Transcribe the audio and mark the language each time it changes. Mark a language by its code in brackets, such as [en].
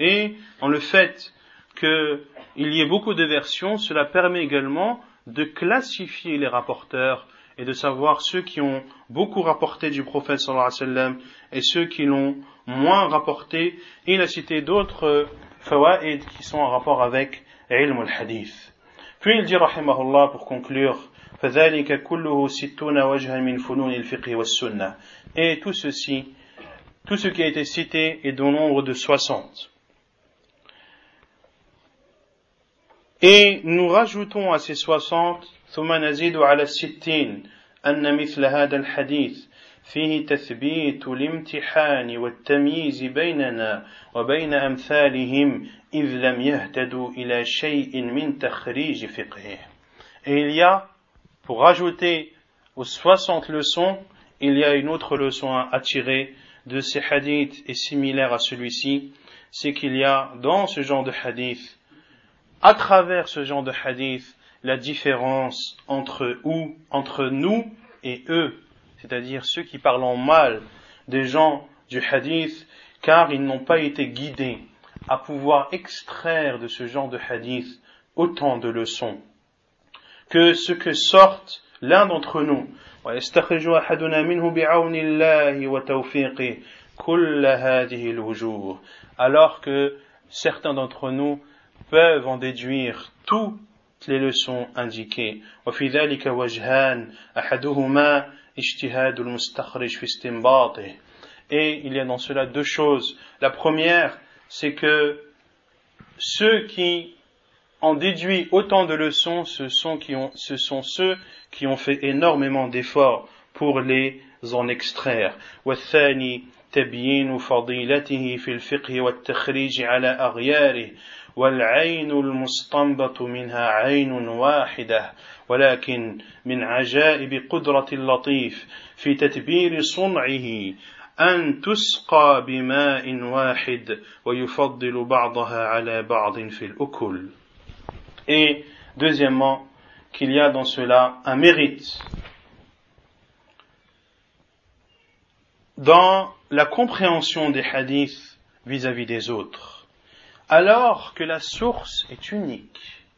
[fr] Et en le fait qu'il y ait beaucoup de versions, cela permet également de classifier les rapporteurs et de savoir ceux qui ont beaucoup rapporté du prophète sallallahu alayhi wa sallam et ceux qui l'ont moins rapporté. Il a cité d'autres fawa'id qui sont en rapport avec ilm al-hadith. Puis il dit, [ar] rahimahullah, [fr] pour conclure, [ar] فَذَلِكَ كُلُّهُ سِتُّونَ وَجْهًا مِنْ فُنُونِ الْفِقْهِ وَالسُّنَّةِ. [fr] Et tout ceci, tout ce qui a été cité est d'un nombre de 60. Et nous rajoutons à ces 60, [ar] ثُمَّ نَزِيدُ عَلَى السِّتِّينَ أَنَّ مِثْلَ هَذَا الْحَدِيثِ فيه تثبيت الامتحان والتمييز بيننا وبين أمثالهم إذ لم يهتدوا إلى شيء من تخريج فقهه. [fr] Il y a, pour ajouter aux 60 leçons, il y a une autre leçon à tirer de ces hadiths et similaire à celui-ci, c'est qu'il y a dans ce genre de hadith, à travers ce genre de hadith, la différence entre nous et eux. C'est-à-dire ceux qui parlent mal des gens du hadith, car ils n'ont pas été guidés à pouvoir extraire de ce genre de hadith autant de leçons. Que ce que sorte l'un d'entre nous, [ar] وَيَسْتَخْرِجُ أَحَدُنَا مِنْهُ بِعَوْنِ اللَّهِ وَتَوْفِيقِهِ كُلَّ هَذِهِ الْوُجُورِ. [fr] Alors que certains d'entre nous peuvent en déduire toutes les leçons indiquées. [ar] وَفِي ذَلِكَ وَجْهَانِ أَحَدُهُمَا اجتهاد المستخرج في استنباطه. [fr] Et il y a dans cela deux choses. La première, c'est que ceux qui en déduit autant de leçons, ce sont ceux qui ont fait énormément d'efforts pour les en extraire. [ar] والثاني تبيين فضيلته في الفقه والتخريج على أغياره والعين المستنبط منها عين واحدة. ولكن من عجائب قدرة اللطيف في تتبير صنعه أن تسقى بماء واحد ويفضل بعضها على بعض في الأكل. [fr] Et deuxièmement, qu'il y a dans cela un mérite dans la compréhension des hadiths vis-à-vis des autres. Alors que la source est unique.